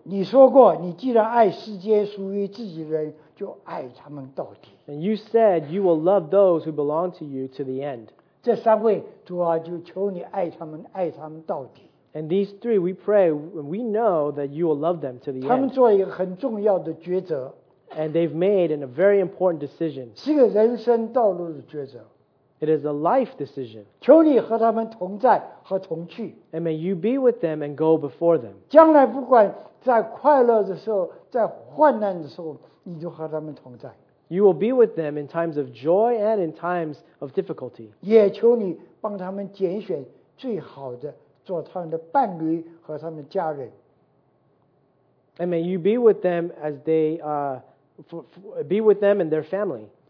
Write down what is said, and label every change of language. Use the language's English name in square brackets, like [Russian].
[Chinese] 你说过，你既然爱世间属于自己人，就爱他们到底。 [English] And you said you will love those who belong to you to the end. [Chinese] 这三位主啊，就求你爱他们，爱他们到底。 [English] And these three, we pray, we know that you will love them to the end. [Chinese] 他们做一个很重要的抉择。 [English] And they've made a very important decision. [Chinese] 是个人生道路的抉择。 [English] It is a life decision. [Chinese] 求你和他们同在和同去。 [English] And may you be with them and go before them. [Chinese] 将来不管在快乐的时候，在患难的时候，你就和他们同在。 [English] You will be with them in times of joy and in times of difficulty. [Chinese] 也求你帮他们拣选最好的，做他们的伴侣和他们家人。 [English] And may you be with them as they be with them and their family.